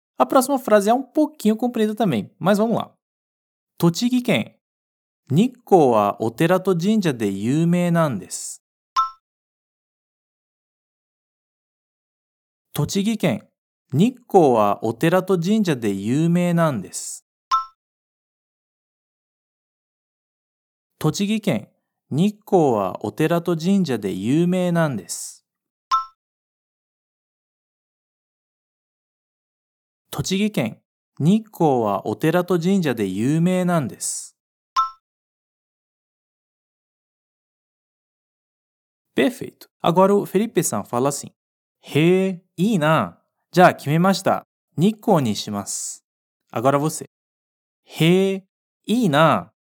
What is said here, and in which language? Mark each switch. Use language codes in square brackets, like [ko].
[pt] A próxima frase é um pouquinho comprida também, mas vamos lá. [ja] 栃木県、日光はお寺と神社で有名なんです。栃木県、日光はお寺と神社で有名なんです。栃木県、日光はお寺と神社で有名なんです。栃木県、日光はお寺と神社で有名なんです。 [pt] Perfeito! Agora o Felipe さん fala assim: [ja] へえ、いいな。じゃあ決めました。日光にします。 [pt] Agora você: [ja] へえ、いいな。